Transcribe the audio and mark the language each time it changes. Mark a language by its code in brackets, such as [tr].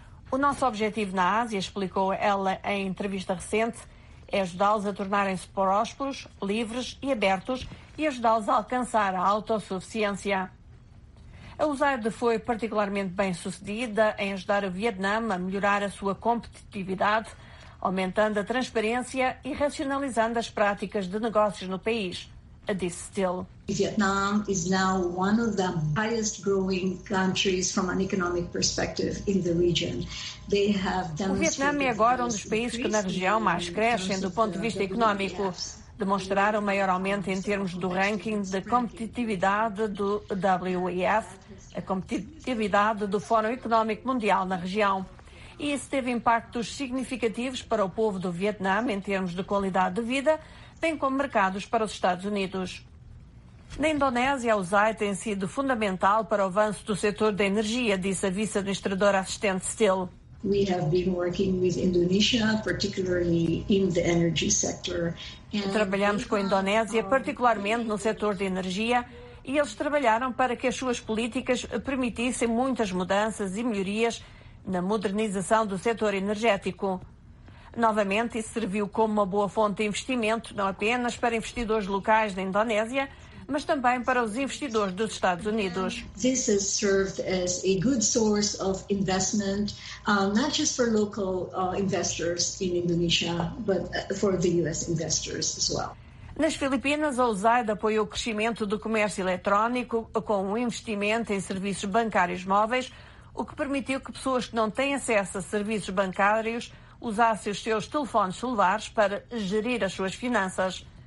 [pt] O nosso objetivo na Ásia, explicou ela em entrevista recente, é ajudá-los a tornarem-se prósperos, livres e abertos e ajudá-los a alcançar a autossuficiência. A USAID foi particularmente bem-sucedida em ajudar o Vietnã a melhorar a sua competitividade, aumentando a transparência e racionalizando as práticas de negócios no país, disse Steele. [en] Vietnam is now one of the highest growing countries from an economic perspective in the region. They have demonstrated. [pt] O Vietnã é agora um dos países que na região mais crescem do ponto de vista económico. Demonstraram maior aumento em termos do ranking de competitividade do WEF, a competitividade do Fórum Económico Mundial na região. E isso teve impactos significativos para o povo do Vietnã em termos de qualidade de vida, bem como mercados para os Estados Unidos. Na Indonésia, a USAID tem sido fundamental para o avanço do setor da energia, disse a vice-administradora assistente Steele. [en] We have been working with Indonesia, particularly in the energy sector. [pt] Trabalhamos com a Indonésia, particularmente no setor de energia, e eles trabalharam para que as suas políticas permitissem muitas mudanças e melhorias na modernização do setor energético. Novamente, isso serviu como uma boa fonte de investimento, não apenas para investidores locais da Indonésia, mas também para os investidores dos Estados Unidos. [en] This has served as a good source of investment, not just for local investors in Indonesia, but for the US investors as well. [pt] Nas Filipinas, a USAID apoiou o crescimento do comércio eletrónico com um investimento em serviços bancários móveis, o que permitiu que pessoas que não têm acesso a serviços bancários usassem os seus telefones celulares para gerir as suas finanças.